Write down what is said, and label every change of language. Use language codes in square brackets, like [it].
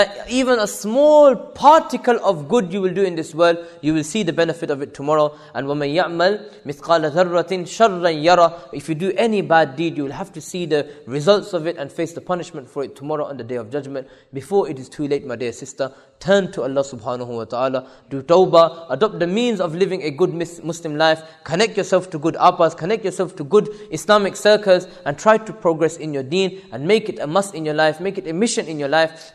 [en] Even a small particle of good you will do in this world, you will see the benefit of it tomorrow. [ar] And وَمَنْ يَعْمَلْ مِثْقَالَ ذَرَّةٍ شَرًّا يَرَى. [en] If you do any bad deed, you will have to see the results of it and face the punishment for it tomorrow on the Day of Judgment. Before it is too late, my dear sister, turn to Allah subhanahu wa ta'ala, do tawbah, adopt the means of living a good Muslim life, connect yourself to good apas, connect yourself to good Islamic circles, and try to progress in your deen, and make it a must in your life, make it a mission in your life.